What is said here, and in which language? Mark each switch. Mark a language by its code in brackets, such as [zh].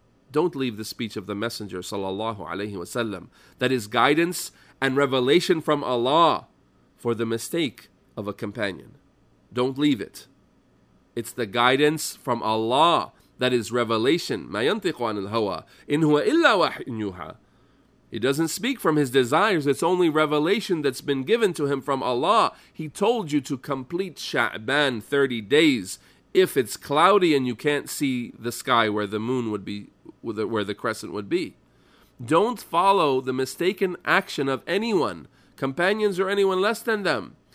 [en] Don't leave the speech of the Messenger sallallahu alayhi wa sallam. That is guidance and revelation from Allah for the mistake of a companion. Don't leave it. It's the guidance from Allah that is revelation. [ar] مَا يَنْتِقُ عَنِ الْهَوَى إِنْ هُوَ إِلَّا وَحْيٌ يُوحَى [en] He doesn't speak from his desires. It's only revelation that's been given to him from Allah. He told you to complete Sha'ban 30 days. If it's cloudy and you can't see the sky where the moon would be, where the crescent would be. Don't follow the mistaken action of anyone, companions or anyone less than them.